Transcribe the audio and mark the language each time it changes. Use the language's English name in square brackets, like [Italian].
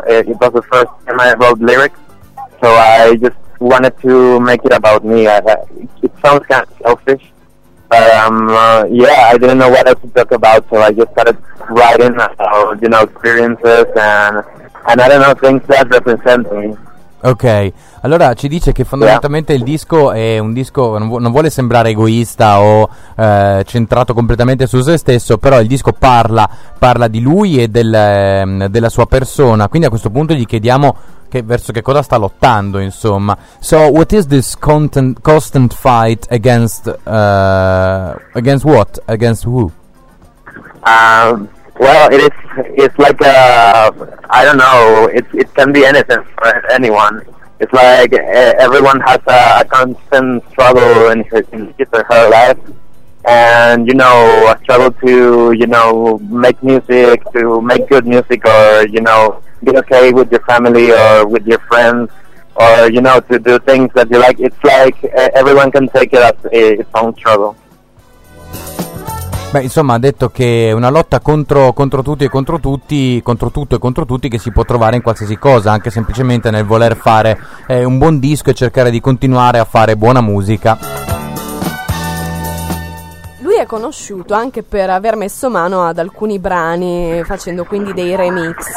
[English] It was the first time I wrote lyrics, so I just wanted to make it about me. It sounds kind of selfish, but I didn't know what else to talk about, so I just started writing about, you know, experiences and I don't know, things that represent me. [Italian] Ok, allora ci dice che fondamentalmente il disco è un disco, non vuole sembrare egoista o centrato completamente su se stesso, però il disco parla di lui e della sua persona, quindi a questo punto gli chiediamo verso che cosa sta lottando, insomma. [English] So, what is this constant fight against, against what, against who? Well, it's like I don't know, it can be anything for anyone. It's like everyone has a constant struggle in his or her life, and, you know, a struggle to, you know, make music, to make good music, or, you know, be okay with your family or with your friends, or, you know, to do things that you like. It's like everyone can take it as its own struggle. [Italian] Beh, insomma, ha detto che è una lotta contro tutti e contro tutti, contro tutto e contro tutti, che si può trovare in qualsiasi cosa, anche semplicemente nel voler fare un buon disco e cercare di continuare a fare buona musica. Lui è conosciuto anche per aver messo mano ad alcuni brani, facendo quindi dei remix.